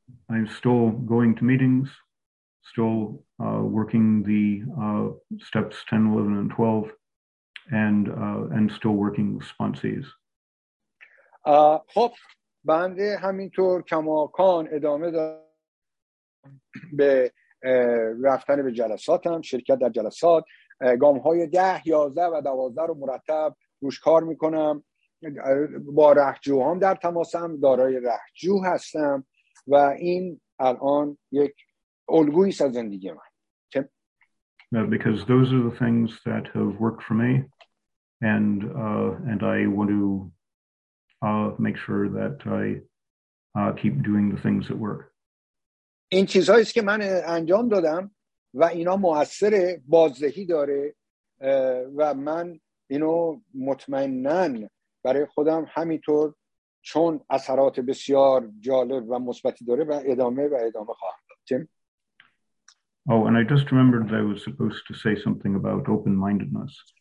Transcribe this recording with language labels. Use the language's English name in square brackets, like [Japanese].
[English] I'm still going to meetings, still working the steps 10, 11, and 12, and still working with sponsees. [Persian] خب بنده همینطور کماکان ادامه دارم به رفتن به جلساتم، شرکت در جلسات، گام‌های 10, 11 و 12 رو مرتب روش کار می‌کنم، با رهجوهام در تماسم، دارای رهجو هستم و این الان یک الگویی از زندگی من. [English] Because those are the things that have worked for me, and I want to make sure that I keep doing the things that work. [Persian] این چیزایی است که من انجام دادم و اینا مؤثر بازدهی داره و من اینو مطمئنن برای خودم همینطور چون اثرات بسیار جالب و مثبتی داره و ادامه خواهم داد. تیم. [English] Oh, and I just remembered that I was supposed to say something about open-mindedness.